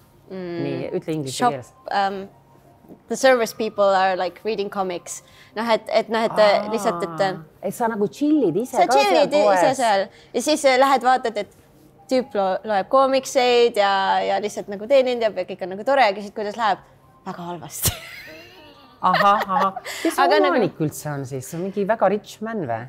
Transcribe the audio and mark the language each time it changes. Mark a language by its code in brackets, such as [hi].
[et] Nii, ütle inglise keeles. [en] The service people are like reading comics. [et] No, sa nagu chillid ise sa ka chillid seal poes. Ise seal. Ja siis lähed vaatad, et tüüp loeb koomikseid ja lihtsalt nagu teenind ja kõik on nagu tore ja küsid, kuidas läheb. Väga halvasti. Aha. Kes omanik nagu, üldse on siis? On mingi väga [en] rich man [et] või?